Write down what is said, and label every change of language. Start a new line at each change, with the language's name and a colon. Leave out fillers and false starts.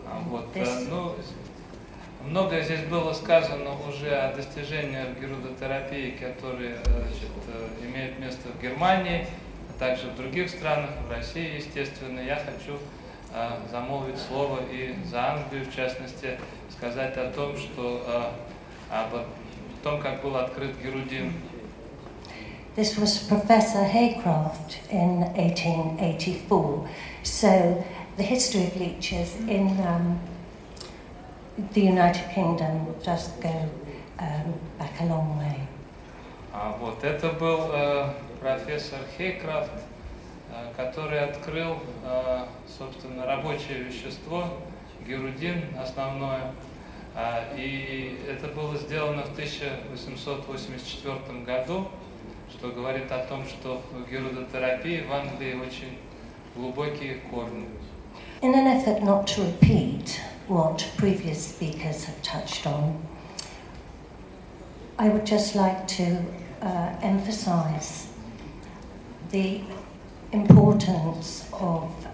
Russian: Вот, ну, многое здесь было сказано уже о достижениях герудотерапии, которые, значит, имеют место в Германии, а также в других странах, в России, естественно. Я хочу замолвить слово и за Англию, в частности, сказать о том, что о том, как был открыт герудин.
English: This was Professor Haycroft in 1884. So the history of leeches in the United Kingdom does go back a long way.
Russian: Вот это был профессор Haycroft, который открыл, собственно, рабочее вещество, герудин основное. И это было сделано в 1884 году. что говорит о том, что в гирудотерапии в Англии очень глубокие корни.
English: In an effort not to repeat what previous speakers have touched on, I would just like to emphasize the importance of